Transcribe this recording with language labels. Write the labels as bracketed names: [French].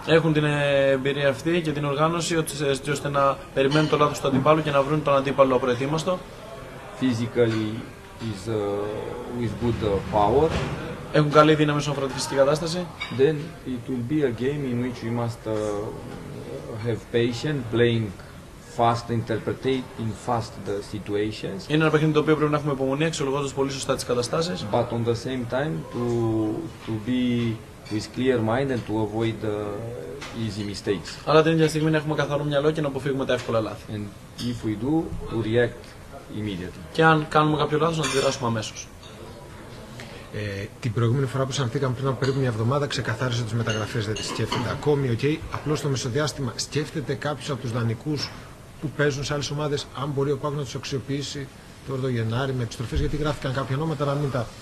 [Greek] Έχουν την εμπειρία αυτή και την οργάνωση ώστε να περιμένουν το λάθος του αντιπάλου και να βρουν τον αντίπαλο προετοίμαστο. [English] Physically is with good power. [Greek] Έχουν καλή δύναμη στον φροντιστική κατάσταση. [English] Then it will be a game in which we must have patience, playing fast, interpreting fast the situations. [Greek] Είναι ένα παιχνίδι το οποίο πρέπει να έχουμε υπομονή, αξιολογώντας πολύ σωστά τις καταστάσεις. [English] But on the same time to be with clear mind and to avoid easy mistakes. [Greek] Αλλά την ίδια στιγμή να έχουμε καθαρό μυαλό και να αποφύγουμε τα εύκολα λάθη. [English] And if we do, to react immediately. [Greek] Και αν κάνουμε κάποιο λάθος, να αντιδράσουμε αμέσως. Την προηγούμενη φορά που συναντήθηκαμε πριν από περίπου μια εβδομάδα, ξεκαθάρισε τις μεταγραφές, δεν τις σκέφτεται ακόμη. Okay. Απλώς στο μεσοδιάστημα, σκέφτεται κάποιος από τους δανεικούς που παίζουν σε άλλες ομάδες, αν μπορεί ο Πάκου να τους αξιοποιήσει τώρα το Γενάρη με επιστροφές, γιατί γράφτηκαν κάποια ονόματα, να μην τα